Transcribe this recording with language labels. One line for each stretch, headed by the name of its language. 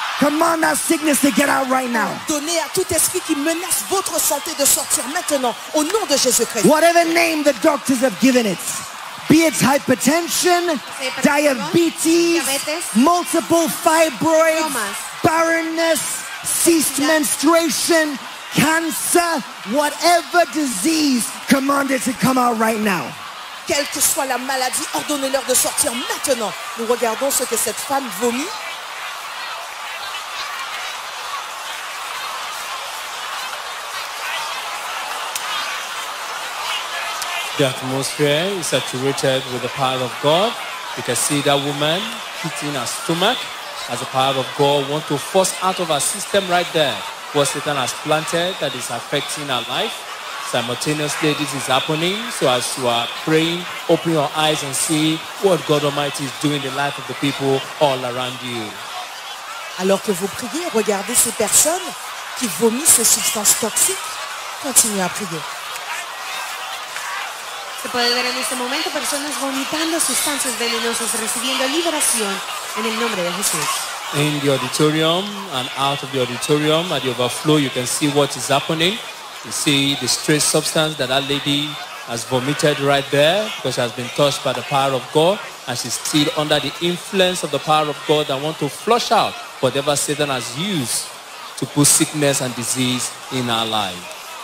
English: Command that sickness to get out right now.
French: Donnez à tout esprit qui menace votre santé de sortir maintenant au nom de Jésus-Christ.
English: Whatever name the doctors have given it, be it hypertension, diabetes, multiple fibroids, barrenness, ceased menstruation, cancer, whatever disease, command it to come out right now.
French: Quelle que soit la maladie, ordonnez-leur de sortir maintenant. Nous regardons ce que cette femme vomit.
English: The atmosphere is saturated with the power of God. You can see that woman hitting her stomach as the power of God wants to force out of her system right there what Satan has planted that is affecting her life. Simultaneously, this is happening. So as you are praying, open your eyes and see what God Almighty is doing in the life of the people all around you.
French: Alors que vous priez, regardez ces personnes qui vomissent ces substances toxiques. Continuez à prier.
Spanish: Se puede ver en este momento personas vomitando sustancias venenosas, recibiendo liberación en el nombre de Jesús.
English: in the auditorium and out of the auditorium at the overflow, you can see what is happening. You see the stray substance that that lady has vomited right there because she has been touched by the power of God and she's still under the influence of the power of God and want to flush out whatever Satan has used to put sickness and disease in our life.